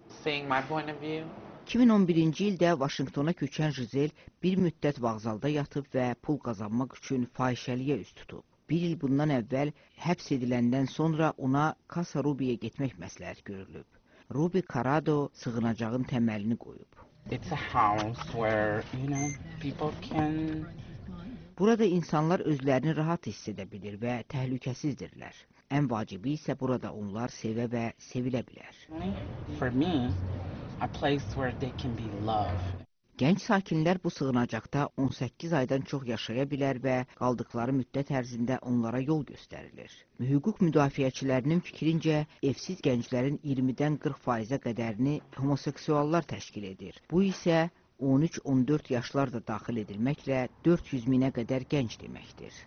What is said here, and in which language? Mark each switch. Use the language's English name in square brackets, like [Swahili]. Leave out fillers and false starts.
[Azerbaijani] 2011-ci ildə Vaşinqtona köçən Giselle bir müddət vağzalda yatıb və pul qazanmaq üçün fahişəliyə üz tutub. Bir il bundan əvvəl həbs ediləndən sonra ona Casa Rubin-ə getmək məsləhət görülüb. Ruby Carrado sığınacağın təməlini qoyub. [English] It's a house where, you know, people can... [Azerbaijani] Burada insanlar özlərini rahat hiss edə bilir və təhlükəsizdirlər. Ən vacibi isə burada onlar sevə və sevilə bilər. [English] For me, a place where they can be loved. [Azerbaijani] Gənc sakinlər bu sığınacaqda 18 aydan çox yaşaya bilər və qaldıqları müddət ərzində onlara yol göstərilir. Hüquq müdafiəçilərinin fikrincə, evsiz gənclərin 20-dən 40%-ə qədərini homoseksuallar təşkil edir. Bu isə 13-14 yaşlarda daxil edilməklə 400 minə qədər gənc deməkdir.